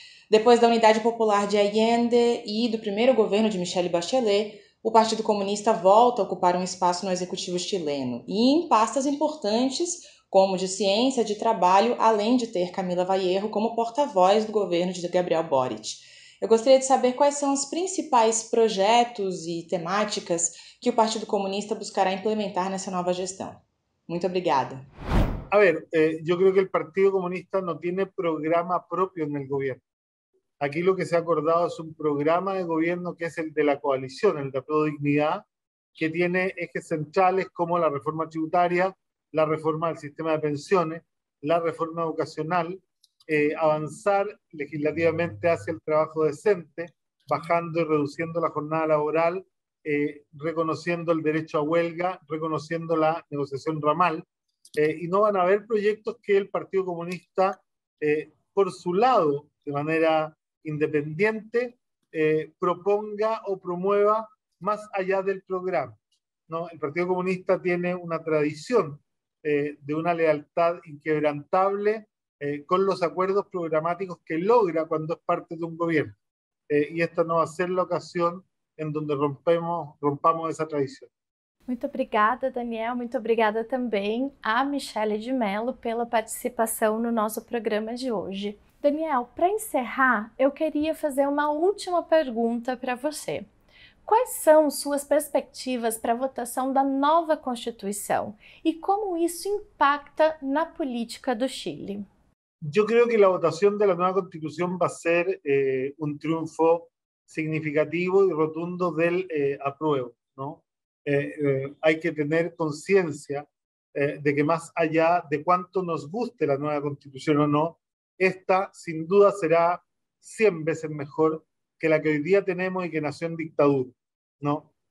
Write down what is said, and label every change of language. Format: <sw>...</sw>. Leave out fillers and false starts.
<pt>Depois da Unidade Popular de Allende e do primeiro governo de Michelle Bachelet, o Partido Comunista volta a ocupar um espaço no executivo chileno e em pastas importantes, como de ciência, de trabalho, além de ter Camila Vallejo como porta-voz do governo de Gabriel Boric. Eu gostaria de saber quais são os principais projetos e temáticas que o Partido Comunista buscará implementar nessa nova gestão. Muito obrigada.</pt> <es>A ver,</es> <pt>eu creo que o Partido Comunista não tem programa próprio no governo.</pt> <es>Aquí lo que se ha acordado es un programa de gobierno que es el de la coalición, el de Apruebo Dignidad, que tiene ejes centrales como la reforma tributaria, la reforma del sistema de pensiones, la reforma educacional, avanzar legislativamente hacia el trabajo decente, bajando y reduciendo la jornada laboral, reconociendo el derecho a huelga, reconociendo la negociación ramal. Y no van a haber proyectos que el Partido Comunista, por su lado, de manera independiente, proponga o promueva más allá del programa, ¿no? El Partido Comunista tiene una tradición de una lealtad inquebrantable con los acuerdos programáticos que logra cuando es parte de un gobierno. Y esta no va a ser la ocasión en donde rompamos esa tradición.</es> <pt>Muito obrigada, Daniel. Muito obrigada também à Michelle de Mello pela participação no nosso programa de hoje. Daniel, para encerrar, eu queria fazer uma última pergunta para você. Quais são suas perspectivas para a votação da nova Constituição e como isso impacta na política do Chile?</pt> <es>Yo creo que la votación de la nueva constitución va a ser un triunfo significativo y rotundo del apruebo, ¿no? Hay que tener conciencia de que más allá de cuánto nos guste la nueva constitución o no, esta sin duda será 100 veces mejor que la que hoy día tenemos y que nació en dictadura, ¿no?</es>